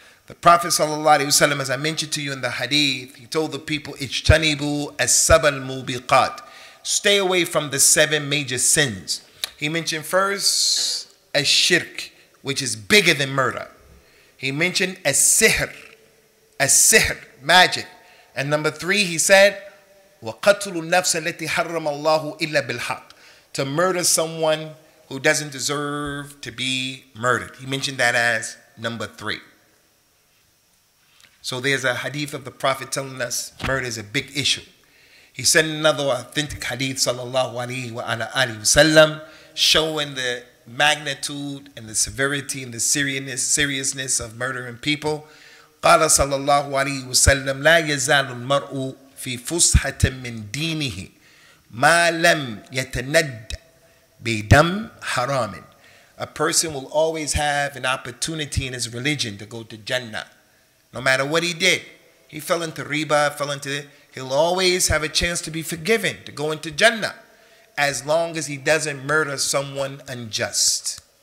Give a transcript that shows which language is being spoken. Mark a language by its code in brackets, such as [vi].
[en] The Prophet Sallallahu Alaihi Wasallam, as I mentioned to you in the hadith, he told the people, [ar] اجتنبوا السبع المبيقات. [en] Stay away from the seven major sins. He mentioned first, الشرك, which is bigger than murder. He mentioned السحر, magic. And number three, he said, [ar] وَقَتْلُ النَّفْسَ الَّتِي حَرَّمَ اللَّهُ إِلَّا بِالْحَقِّ. [en] To murder someone who doesn't deserve to be murdered. He mentioned that as number three. So there's a hadith of the Prophet telling us murder is a big issue. He said another authentic hadith, sallallahu alayhi wa sallam, showing the magnitude and the severity and the seriousness of murdering people. [ar] قَالَ صَلَّى اللَّهُ wa sallam, لَا يَزَالُ الْمَرْءُ في فسحة من دينه ما لم يتند بدم حرام. [en] A person will always have an opportunity in his religion to go to Jannah, no matter what he did. He fell into riba, fell into He'll always have a chance to be forgiven, to go into Jannah, as long as he doesn't murder someone unjust.